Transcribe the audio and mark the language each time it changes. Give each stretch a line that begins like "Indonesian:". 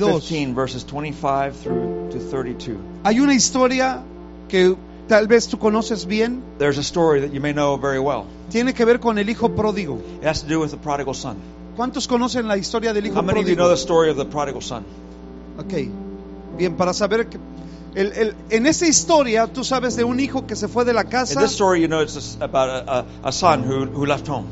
English: Luke 15, verses 25 through to 32,
Spanish: hay una historia que Tal vez tú conoces bien.
English: There's a story that you may know very well.
Spanish: Tiene que ver con el hijo pródigo.
English: It has to do with the prodigal son.
Spanish: ¿Cuántos conocen la historia del hijo pródigo?
English: How many
Spanish: pródigo?
English: Of you know the story of the prodigal son? Okay.
Spanish: Bien, para saber que el en esa historia tú sabes de un hijo que se fue de la casa.
English: In this story, you know it's about a son who left home.